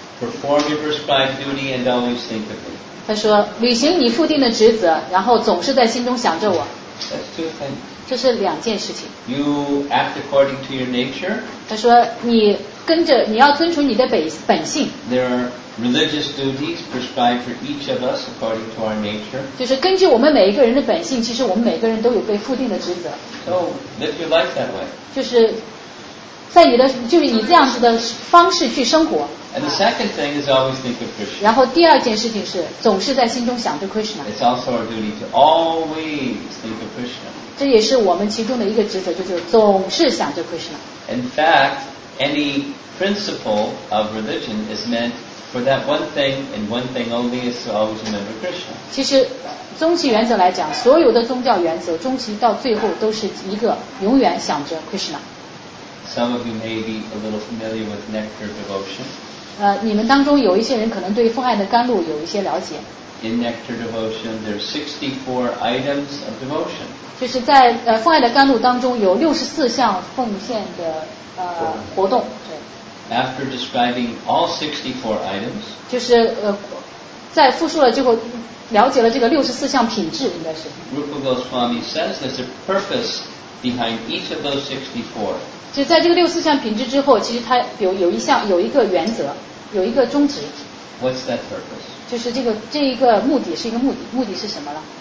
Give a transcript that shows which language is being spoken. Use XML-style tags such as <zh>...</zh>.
<en>Perform your prescribed duty and always think of me.</en> <zh>他说履行你附定的职责然后总是在心中想着我。</zh> <en>That's two things.</en> <zh>这是两件事情。</zh> <en>You act according to your nature.</en> <zh>他说你跟着你要遵循你的本性。</zh> <en>There are religious duties prescribed for each of us according to our nature.</en> <zh>就是根据我们每一个人的本性其实我们每个人都有被附定的职责。</zh> <en>So live your life that way.</en> <zh>就是在你的就是以这样子的方式去生活。</zh> <en>And the second thing is always think of Krishna.</en> <zh>然后第二件事情是总是在心中想着 Krishna.</zh> <en>It's also our duty to always think of Krishna.</en> <zh>这也是我们其中的一个职责，就是总是想着 Krishna.</zh> <en>In fact, any principle of religion is meant for that one thing and one thing only is to always remember Krishna.</en> <zh>其实。终极原则来讲所有的宗教原则终极到最后都是一个永远想着 Krishna</zh> <en>Some of you may be a little familiar with nectar devotion</en> <zh>你们当中有一些人可能对奉爱的甘露有一些了解</zh> <en>In nectar devotion there are 64 items of devotion</en> <zh>就是在奉爱的甘露当中有64项奉献的活动对</zh> <en>After describing all 64 items</en> <zh>就是在复述了之后了解了这个六十四项品质应该是</zh> <en>Rupa Goswami says there's a purpose behind each of those 64</en> <zh>就在这个六十四项品质之后其实它 有一项有一个原则有一个宗旨</zh> <en>What's that purpose?</en> <zh>就是这一个目的是一个目的目的是什么了</zh>